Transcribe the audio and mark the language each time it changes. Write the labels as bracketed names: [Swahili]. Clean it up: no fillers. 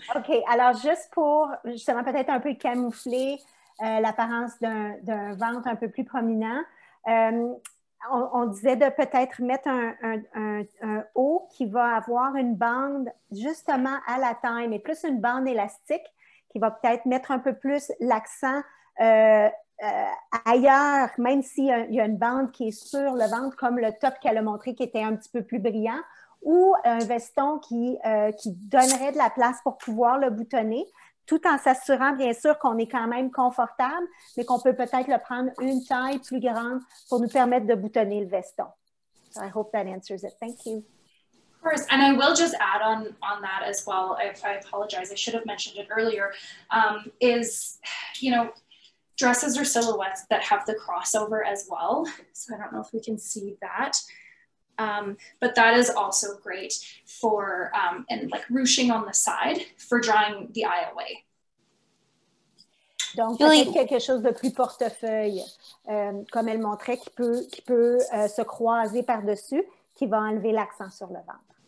[French] Okay, alors juste pour justement peut-être un peu camoufler l'apparence d'un ventre un peu plus prominent, on disait de peut-être mettre un haut qui va avoir une bande justement à la taille, mais plus une bande élastique qui va peut-être mettre un peu plus l'accent ailleurs, même s'il y a une bande qui est sur le ventre, comme le top qu'elle a montré qui était un petit peu plus brillant, ou un veston qui donnerait de la place pour pouvoir le boutonner, tout en s'assurant bien sûr qu'on est quand même confortable, mais qu'on peut peut-être le prendre une taille plus grande pour nous permettre de boutonner le veston. [English] So I hope that answers it. Thank you. Of course, and I will just add on that as well, I apologize, I should have mentioned it earlier, is, you know, dresses or silhouettes that have the crossover as well, so I don't know if we can see that, but that is also great for, and like ruching on the side for drawing the eye away. [French] Donc, peut-être quelque chose de plus portefeuille, comme elle montrait, qui peut se croiser par-dessus, qui va enlever l'accent sur le ventre.